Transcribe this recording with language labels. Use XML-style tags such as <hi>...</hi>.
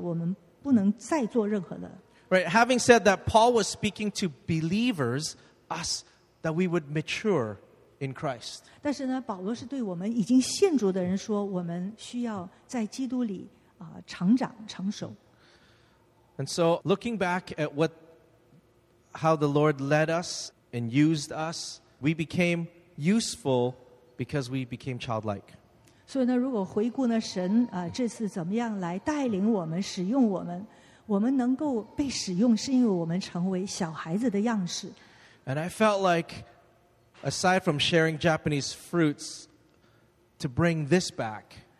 <zh>所以呢,不要误解,就是说我们不能超过耶稣在十字架上已经成就的,我们不能再做任何的。</zh> <en>Right, having said that, Paul was speaking to believers, us, that we would mature in Christ.</en> <zh>但是呢,保罗是对我们已经信主的人说,我们需要在基督里成长,成熟。</zh> <en>And so, looking back at how the Lord led us and used us, we became useful because we became childlike.</en> <zh>所以呢,如果回顾呢,神这次怎么样来带领我们,使用我们, 我们能够被使用是因为我们成为小孩子的样式。</zh> <en>And I felt like, aside from sharing Japanese fruits, to bring this back.</en>